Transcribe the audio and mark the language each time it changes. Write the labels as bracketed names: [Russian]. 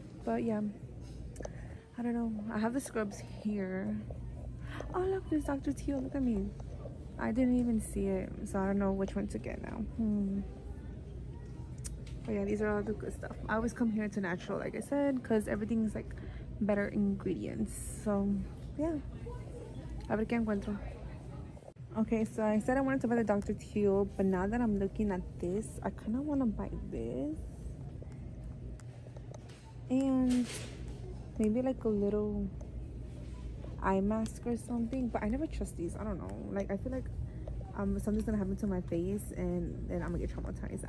[English] But yeah, I don't know. I have the scrubs here. Oh, look, there's Dr. Teal. Look at me. I didn't even see it, so I don't know which one to get now. But yeah, these are all the good stuff. I always come here to natural, like I said, because everything's like better ingredients. So yeah, [Spanish] a ver que encuentro. [English] Okay, so I said I wanted to buy the Dr. Teal, but now that I'm looking at this, I kind of want to buy this and maybe like a little eye mask or something. But I never trust these. I don't know, like I feel like something's gonna happen to my face and then I'm gonna get traumatized.